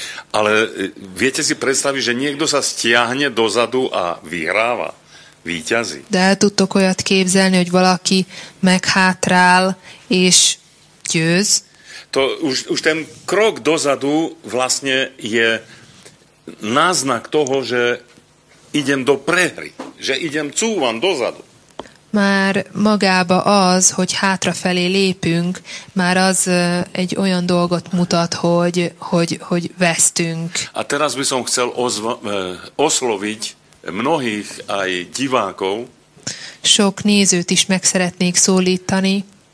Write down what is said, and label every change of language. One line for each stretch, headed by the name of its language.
Slovak: Ale viete si predstaviť, že niekto sa stiahne dozadu a vyhráva, víťazí.
Hungarian: De el tudtok olyat képzelni, hogy valaki meghátrál és győz.
Slovak: To už ten krok dozadu vlastne je náznak toho, že idem do prehry, že idem cúvam dozadu.
Hungarian: Már magába az, hogy hátrafelé lépünk, már az egy olyan dolgot mutat, hogy vesztünk.
Slovak: A teraz by som chcel osloviť mnohých aj divákov.
Hungarian: Sok nézőt is meg szeretnék szólítani.